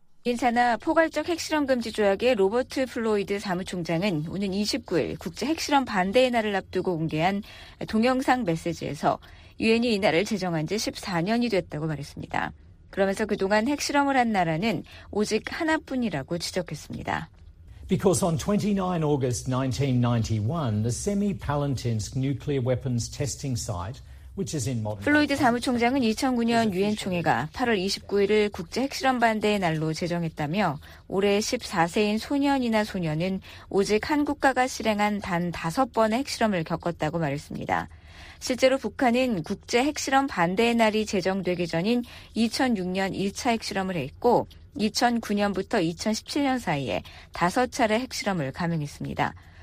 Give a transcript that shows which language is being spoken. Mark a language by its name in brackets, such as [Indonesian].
[Korean] 유엔 산하 포괄적 핵실험 금지 조약의 로버트 플로이드 사무총장은 오는 29일 국제 핵실험 반대의 날을 앞두고 공개한 동영상 메시지에서 유엔이 이날을 제정한 지 14년이 됐다고 말했습니다. 그러면서 그동안 핵실험을 한 나라는 오직 하나뿐이라고 지적했습니다. [English] Because on 29 August 1991, the Semipalatinsk nuclear weapons testing site, which is in modern [Korean] 플로이드 사무총장은 2009년 유엔 총회가 8월 29일을 국제 핵실험 반대의 날로 제정했다며 올해 14세인 소년이나 소녀는 오직 한 국가가 실행한 단 다섯 번의 핵실험을 겪었다고 말했습니다. 실제로 북한은 국제 핵실험 반대의 날이 제정되기 전인 2006년 1차 핵실험을 했고 2009년부터 2017년 사이에 다섯 차례 핵실험을 감행했습니다.